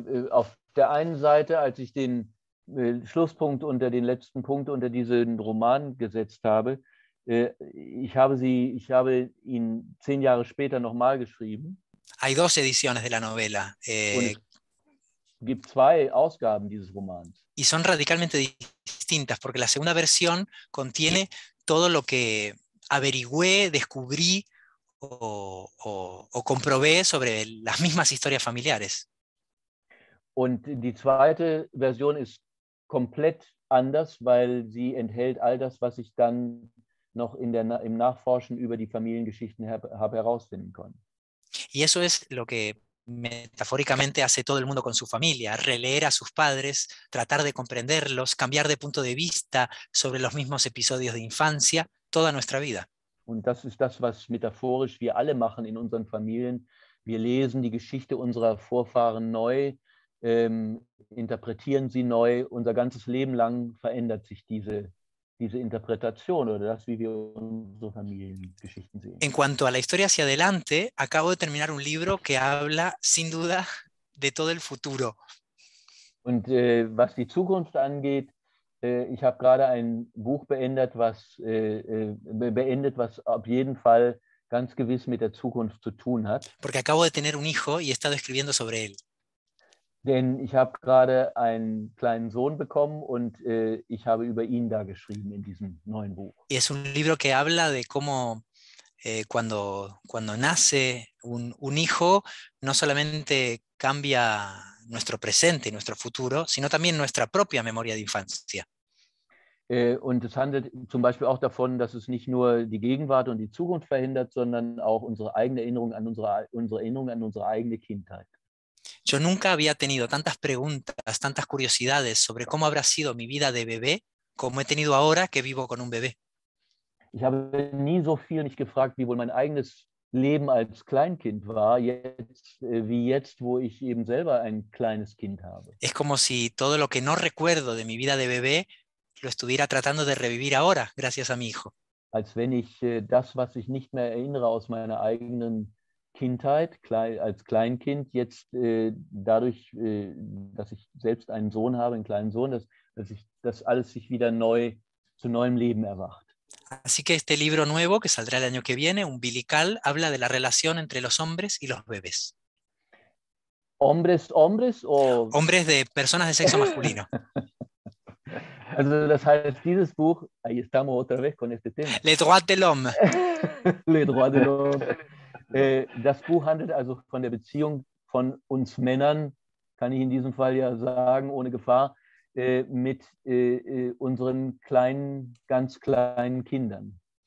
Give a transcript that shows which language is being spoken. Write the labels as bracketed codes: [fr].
[de] Auf der einen Seite, als ich den Schlusspunkt unter den letzten Punkt unter diesen Roman gesetzt habe, ich habe ihn 10 Jahre später nochmal geschrieben. [es] Hay dos ediciones de la novela. [de] Gibt 2 Ausgaben dieses Romans. [es] Y son radicalmente distintas, porque la segunda versión contiene todo lo que averigüé, descubrí o comprobé sobre las mismas historias familiares. [de] Und die zweite Version ist komplett anders, weil sie enthält all das, was ich dann noch im Nachforschen über die Familiengeschichten habe herausfinden können. [es] Y eso es lo que metafóricamente hace todo el mundo con su familia, releer a sus padres, tratar de comprenderlos, cambiar de punto de vista sobre los mismos episodios de infancia, toda nuestra vida. [de] Und das ist das, was metaphorisch wir alle machen in unseren Familien. Wir lesen die Geschichte unserer Vorfahren neu, interpretieren sie neu. Unser ganzes Leben lang verändert sich diese Interpretation oder das, wie wir unsere Familiengeschichten sehen. [es] En cuanto a la historia hacia adelante, acabo de terminar un libro que habla, sin duda, de todo el futuro. [de] Und was die Zukunft angeht, ich habe gerade ein Buch beendet, was auf jeden Fall ganz gewiss mit der Zukunft zu tun hat. [es] Porque acabo de tener un hijo y he estado escribiendo sobre él. [de] Denn ich habe gerade einen kleinen Sohn bekommen und ich habe über ihn da geschrieben in diesem neuen Buch. [es] Es un libro que habla de cómo cuando nace un hijo no solamente cambia nuestro presente y nuestro futuro, sino también nuestra propia memoria de infancia. [de] Und es handelt zum Beispiel auch davon, dass es nicht nur die Gegenwart und die Zukunft verhindert, sondern auch unsere eigene Erinnerung an unsere eigene Kindheit. [es] Yo nunca había tenido tantas preguntas, tantas curiosidades sobre cómo habrá sido mi vida de bebé como he tenido ahora que vivo con un bebé. [de] Ich habe nie so viel mich gefragt, wie wohl mein eigenes Leben als Kleinkind war, wie jetzt, wo ich eben selber ein kleines Kind habe. [es] Es como si todo lo que no recuerdo de mi vida de bebé lo estuviera tratando de revivir ahora, gracias a mi hijo. [de] Als wenn ich das, was ich nicht mehr erinnere aus meiner eigenen Kindheit, als Kleinkind, jetzt dadurch, dass ich selbst einen Sohn habe, einen kleinen Sohn, dass alles sich wieder neu, zu neuem Leben erwacht. [es] Así que este libro nuevo, que saldrá el año que viene, Umbilical, habla de la relación entre los hombres y los bebés. ¿Hombres, hombres o...? Hombres de personas de sexo masculino. [de] Also das heißt, dieses Buch, [es] ahí estamos otra vez con este tema. [fr] Les droits de l'homme. Les droits de l'homme. [de] Das Buch handelt also von der Beziehung von uns Männern, kann ich in diesem Fall ja sagen, ohne Gefahr, mit unseren kleinen, ganz kleinen Kindern.